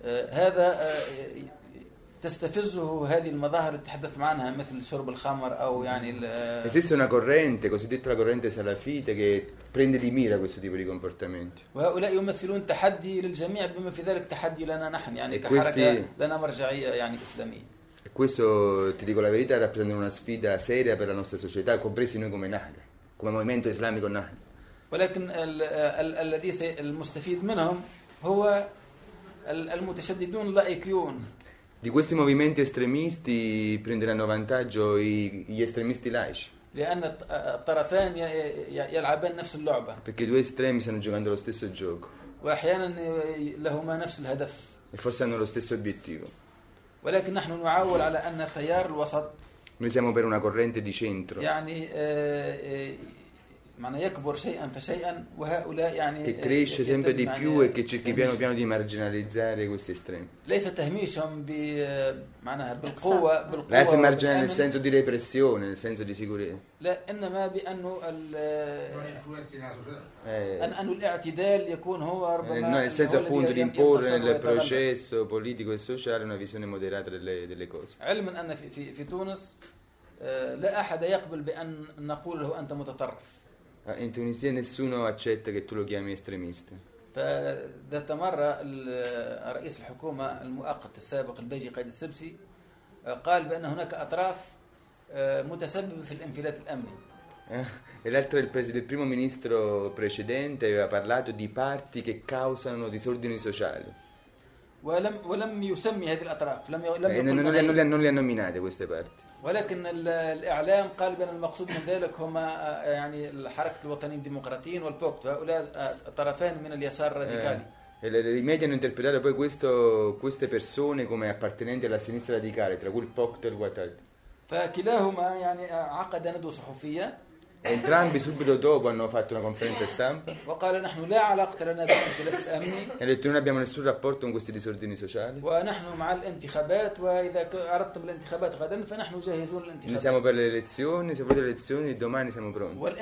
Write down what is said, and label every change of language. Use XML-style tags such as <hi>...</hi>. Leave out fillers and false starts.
<ar>هذا تستفزه هذه المظاهر اللي تحدث عنها مثل شرب الخمر أو يعني.</ar> <it>Esiste una corrente cosiddetta la corrente salafita che prende di mira questo tipo di comportamenti.</it> <ar>وهؤلاء يمثلون تحدي للجميع بما في ذلك تحدي لنا نحن يعني كحركة لنا مرجعية يعني إسلامية.</ar> <it>Questo ti dico la verità rappresenta una sfida seria per la nostra società compresi noi come Nahda come movimento islamico Nahda.</it> <ar>ولكن الذي المستفيد منهم هو المتشددون لايكيون.</ar> <it>Di questi movimenti estremisti prenderanno vantaggio gli estremisti laici.</it> <ar>لأن الطرفان يلعبان نفس اللعبة.</ar> <it>Perché i due estremi stanno giocando lo stesso gioco.</it> <ar>وأحيانا لهما نفس الهدف.</ar> <it>E forse hanno lo stesso obiettivo.</it> <ar>ولكن نحن نعول على أن التيار الوسط.</ar> <it>Noi siamo per una corrente di centro.</it> <ar>يعني معنى يكبر شيئا فشيئا وهؤلاء يعني.</ar> <it>Che cresce sempre di più e che cerchi piano piano di marginalizzare questi estremi.</it> <ar>ليس تهميشهم بمعناها بالقوة بالقوة. لا يسمى مرجان</ar> <it>nel senso di repressione, nel senso di sicurezza.</it> <ar>لا إنما بأنه ال. أن الاعتدال يكون هو ربما.</ar> <it>No, nel senso appunto di imporre nel processo politico e sociale una visione moderata delle cose.</it> <ar>علما أن في تونس لا أحد يقبل بأن نقول له أنت متطرف.</ar> <it>In Tunisia nessuno accetta che tu lo chiami estremista. Fa da tamarra il</it> <ar>رئيس الحكومه المؤقت السابق البيجي قايد السبسي قال بان هناك اطراف متسببه في الانفلات الامني.</ar> <it>E l'altro il primo ministro precedente aveva parlato di parti che causano disordini sociali.</it> <ar>ولم يسمي هذه الاطراف لم يقل</ar> <it>non le ha nominate queste parti.</it> <ar>ولكن الإعلام قال بأن المقصود من ذلك هما يعني الحركة الوطنية الديمقراطيين والبوكت هؤلاء طرفان من اليسار الراديكالي.</ar> <it>I media hanno interpretato poi queste persone come appartenenti alla sinistra radicale tra cui il POCT e il Wattad.</it> <ar>فكلاهما يعني عقد ندوة صحفية.</ar> <it>Entrambi subito dopo hanno fatto una conferenza stampa e hanno detto non abbiamo nessun rapporto con questi disordini sociali. Noi siamo per le elezioni, se volete le elezioni domani siamo pronti.</it>